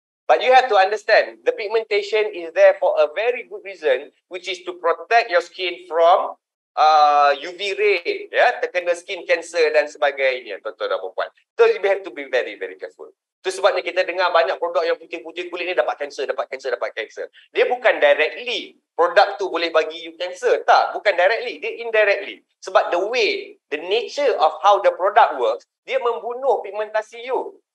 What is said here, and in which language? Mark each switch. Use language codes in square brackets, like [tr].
[en] But you have to understand, the pigmentation is there for a very good reason, which is to protect your skin from UV ray. Ya, yeah? [ms] Terkena [en] skin cancer [ms] dan sebagainya, tuan-tuan dan puan. [en] So, you have to be very, very careful. [ms] Itu sebabnya kita dengar banyak produk yang putih-putih kulit ni dapat kanser, dapat kanser, dapat kanser. Dia bukan directly produk tu boleh bagi you kanser. Tak, bukan directly. Dia indirectly. Sebab [en] the way, the nature of how the product works, [ms] dia membunuh pigmentasi you.